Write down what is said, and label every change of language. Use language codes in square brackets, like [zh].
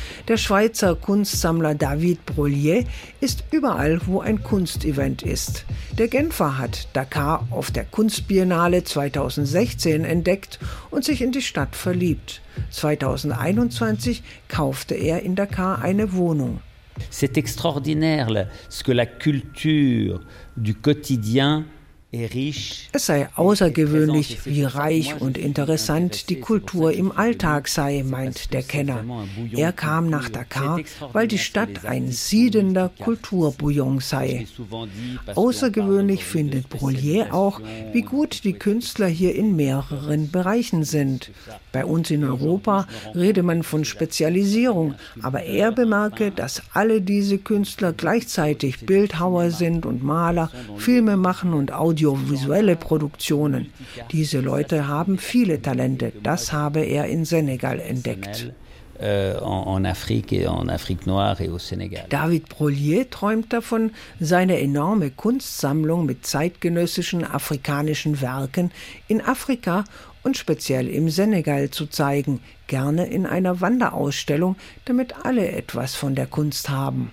[de] Der Schweizer Kunstsammler David Brolier ist überall, wo ein Kunstevent ist. Der Genfer hat Dakar auf der Kunstbiennale 2016 entdeckt und sich in die Stadt verliebt. 2021 kaufte er in Dakar eine Wohnung. [fr] C'est extraordinaire ce que la culture du quotidien. [de] Es sei außergewöhnlich, wie reich und interessant die Kultur im Alltag sei, meint der Kenner. Er kam nach Dakar, weil die Stadt ein siedender Kulturbouillon sei. Außergewöhnlich findet Brolier auch, wie gut die Künstler hier in mehreren Bereichen sind. Bei uns in Europa rede man von Spezialisierung, aber er bemerke, dass alle diese Künstler gleichzeitig Bildhauer sind und Maler, Filme machen und Audio audiovisuelle Produktionen. Diese Leute haben viele Talente. Das habe er in Senegal entdeckt. [fr] En Afrique et en Afrique noire et au Sénégal. [de] David Prolier träumt davon, seine enorme Kunstsammlung mit zeitgenössischen afrikanischen Werken in Afrika und speziell im Senegal zu zeigen, gerne in einer Wanderausstellung, damit alle etwas von der Kunst haben.